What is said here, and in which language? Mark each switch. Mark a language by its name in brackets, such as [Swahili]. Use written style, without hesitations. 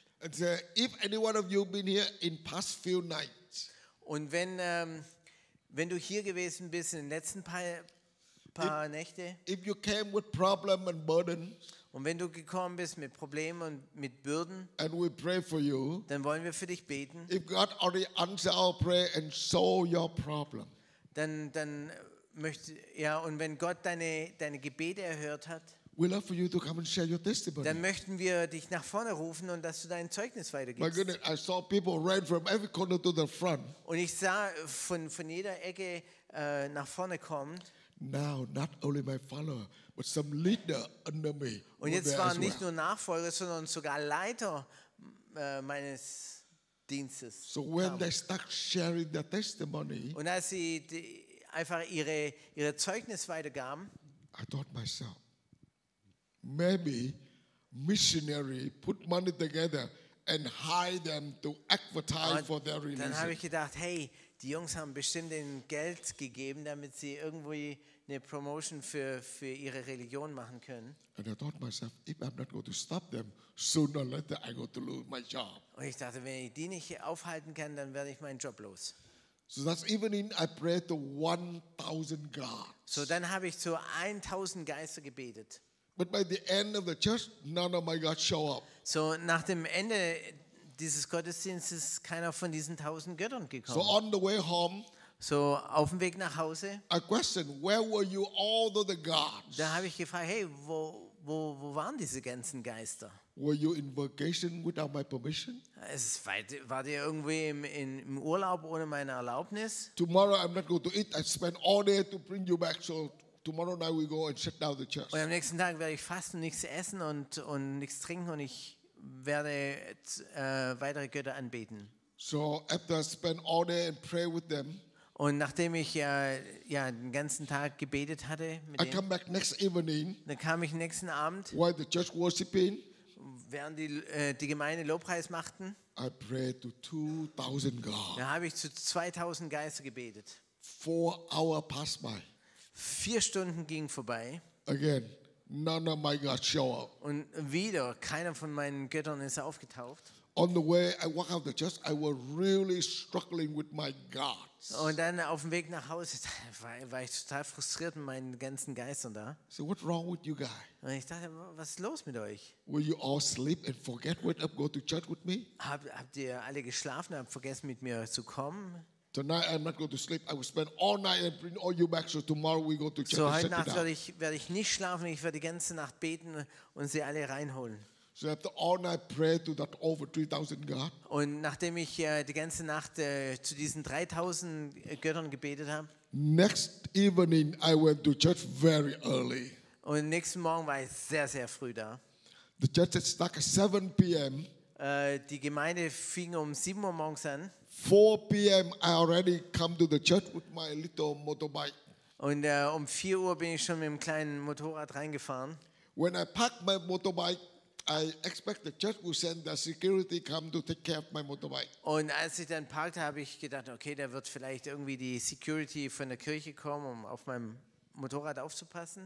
[English] And say, if any one of you been here in past few nights. [German] Und wenn du hier gewesen bist in den letzten paar Nächte. [English] If you came with problem and burden. [German] Und wenn du gekommen bist mit Problemen und mit Bürden, [English] and we pray for you, [German] dann wollen wir für dich beten. [English] If God already answered our prayer and saw your problem, [German] dann möchte ja, und wenn Gott deine Gebete erhört hat, [English] we love for you to come and share your testimony. [German] Dann möchten wir dich nach vorne rufen und dass du dein Zeugnis weitergibst. [English] My goodness, I saw people ran from every corner to the front. [German] Und ich sah von jeder Ecke nach vorne kommen. [English] Now, not only my follower, but some leader under me. [German] Und jetzt waren nicht nur Nachfolger, sondern sogar Leiter meines Dienstes. [English] So when they start sharing their testimony, [German] und als sie einfach ihre Zeugnis weitergaben, [English] I thought myself, maybe missionary put money together and hire them to advertise for their religion. [German] Dann habe ich gedacht, hey, die Jungs haben bestimmt ihnen Geld gegeben, damit sie irgendwie eine Promotion für ihre Religion machen können. [English] And I thought myself, if I'm not going to stop them, sooner or later I'm going to lose my job. [German] Und ich dachte, wenn ich die nicht aufhalten kann, dann werde ich meinen Job los. [English] So that's even in I prayed to 1,000 gods. [German] So dann habe ich zu 1,000 Geister gebetet. [English] But by the end of the church, none of my gods show up. [German] So nach dem Ende dieses Gottesdienstes keiner von diesen 1,000 Göttern gekommen. [English] So on the way home. [German] So auf dem Weg nach Hause. [English] I questioned, where were you all the gods? [German] Da habe ich gefragt, hey, wo waren diese ganzen Geister? [English] Were you in vacation without my permission? [German] Wart ihr irgendwie im Urlaub ohne meine Erlaubnis? [English] Tomorrow I'm not going to eat. I spent all day to bring you back. So tomorrow night we go and shut down the church. [German] Und am nächsten Tag werde ich fasten, nichts essen und nichts trinken und ich werde weitere Götter anbeten. [English] So after I spent all day and pray with them. [German] Und nachdem ich den ganzen Tag gebetet hatte, dann kam ich nächsten Abend, [English] while the church worshiping, [German] während die Gemeinde Lobpreis machten, [English] I prayed to 2000 God. [German] Da habe ich zu 2000 Geister gebetet. [English] 4 hours passed by. [German] 4 Stunden gingen vorbei. [English] Again, none of my God show up. [German] Und wieder keiner von meinen Göttern ist aufgetaucht. [English] On the way, I walk out of the church. I was really struggling with my gods. [German] Und dann auf dem Weg nach Hause war ich total frustriert mit meinen ganzen Geistern da. [English] So what's wrong with you guys? [German] Und ich dachte, was ist los mit euch? [English] Will you all sleep and forget what up? Go to church with me? [German] Habt ihr alle geschlafen und habt vergessen, mit mir zu kommen? [English] Tonight I'm not going to sleep. I will spend all night and bring all you back. So tomorrow we go to church. [German] So heute Nacht werde ich nicht schlafen. Ich werde die ganze Nacht beten und sie alle reinholen. [English] So after all night prayer to that over 3,000 God. [German] Und nachdem ich die ganze Nacht zu diesen 3,000 Göttern gebetet habe. [English] Next evening I went to church very early. [German] Und nächsten Morgen war ich sehr sehr früh da. [English] The church had started at 7 p.m. [German] Die Gemeinde fing um 7 Uhr morgens an. [English] 4 p.m. I already come to the church with my little motorbike. [German] Und um 4 Uhr bin ich schon mit dem kleinen Motorrad reingefahren. [English] When I park my motorbike, I expect the church will send the security come to take care of my motorbike. [German] Und als ich dann parkte, habe ich gedacht, okay, da wird vielleicht irgendwie die Security von der Kirche kommen, um auf meinem Motorrad aufzupassen.